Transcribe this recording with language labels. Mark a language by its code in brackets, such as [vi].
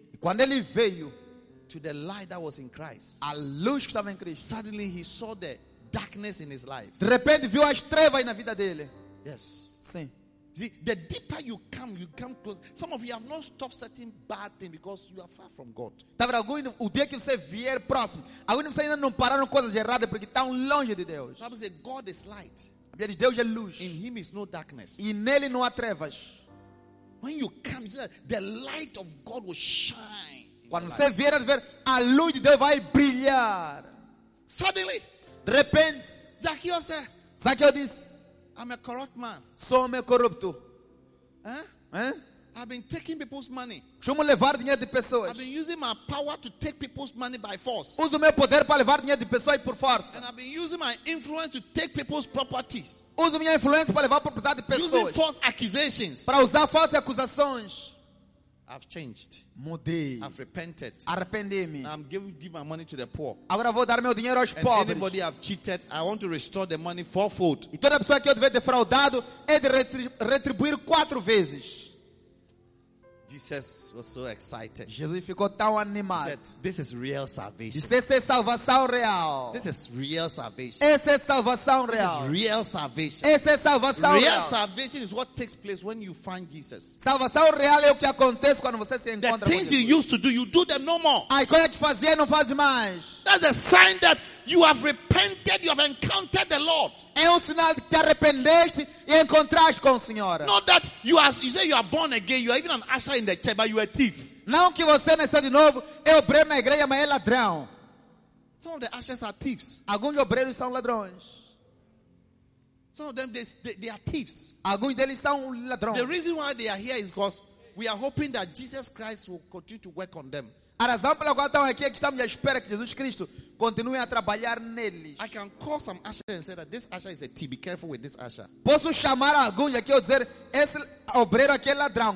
[pt] e quando ele veio, [en] to the light that was in Christ, [pt] a luz que estava em Cristo, [en] suddenly he saw the darkness in his life. [pt] De repente viu as trevas na vida dele. [en] Yes. [pt] Sim. [en] See, the deeper you come close. Some of you have not stopped certain bad things because you are far from God. [pt] Tá vendo algum o dia que você vier próximo? Alguns vocês ainda não pararam coisas erradas porque estão longe de Deus. Sabe dizer, [en] God is light. [pt] Diz, Deus é luz. [en] In him is no darkness. [pt] E nele não há trevas. [en] When you come, you see, the light of God will shine. [pt] Quando você vier a ver, a luz de Deus vai brilhar. [en] Suddenly, [pt] de repente, [en] Zacchaeus, [pt] Zacchaeus, [en] I'm a corrupt man. [pt] Sou um corrupto. [en] I've been taking people's money. [pt] Costumo levar dinheiro de pessoas. [en] I've been using my power to take people's money by force. [pt] Uso meu poder para levar dinheiro de pessoas por força. [en] And I've been using my influence to take people's properties. [pt] Uso minha influência para levar propriedade de pessoas. [en] Using false accusations. [pt] Para usar falsas acusações. [en] I've changed. [pt] Mudei. [en] I've repented. [pt] Arrependi-me. [en] I'm giving my money to the poor. [pt] Agora vou dar meu dinheiro aos [en] and [pt] pobres. [en] Anybody I've cheated, I want to restore the money fourfold. [pt] E toda pessoa que eu tiver defraudado é de retribuir quatro vezes. [en] Jesus was so excited. [pt] Jesus ficou tão animado. [en] He said, this is real salvation. [pt] Disse, essa é salvação real. [en] This is real salvation. [pt] Essa é salvação real. [en] This is real salvation. [pt] Essa é salvação real. [en] Real salvation is what takes place when you find Jesus. [pt] Salvação real é o que acontece quando você se encontra com Jesus. [en] The things you used to do, you do them no more. [pt] Ai, quando é que fazia, não faz mais. [en] That's a sign that you have repented, you have encountered the Lord. [pt] É um sinal de que arrependeste e encontraste com o Senhor. [en] Not that you are, you say you are born again, you are even an usher in the church, but you are a thief. [pt] Não que você nasceu de novo, é obreiro na igreja, mas é ladrão. [en] Some of the ushers are thieves. [pt] Alguns obreiros são ladrões. [en] Some of them they are thieves. [pt] Alguns deles são ladrões. [en] The reason why they are here is because we are hoping that Jesus Christ will continue to work on them. [pt] A razão pela qual estão aqui é que estamos à espera que Jesus Cristo continue a trabalhar neles. [en] I can call some usher and say that this usher is a thief. Be careful with this usher. [pt] Posso chamar alguns aqui e dizer, esse obreiro aqui é ladrão.